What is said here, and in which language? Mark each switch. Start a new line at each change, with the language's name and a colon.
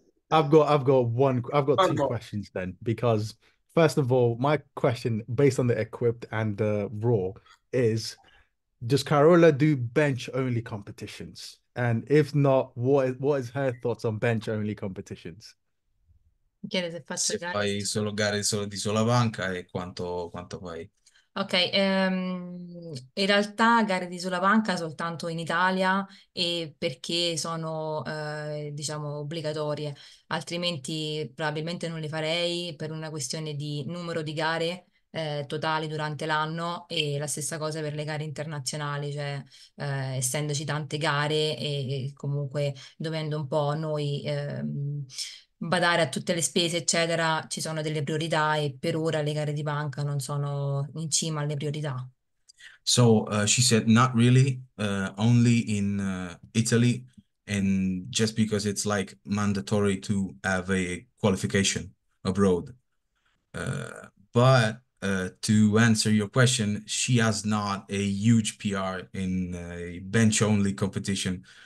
English: I've got two questions then, because first of all, my question based on the equipped and the raw is, does Carola do bench only competitions? And if not, what is her thoughts on bench only competitions?
Italian: chiede se faccio Se gare. fai solo gare solo di sola banca, e quanto fai? In realtà gare di sola banca soltanto in Italia e perché sono diciamo obbligatorie, altrimenti probabilmente non le farei per una questione di numero di gare totali durante l'anno e la stessa cosa per le gare internazionali, cioè essendoci tante gare e comunque dovendo un po' noi badare a tutte le spese, eccetera, ci sono delle priorità e per ora le gare di banca non sono in cima alle priorità.
English: So she said, not really, only in Italy, and just because it's like mandatory to have a qualification abroad. But to answer your question, she has not a huge PR in a bench only competition.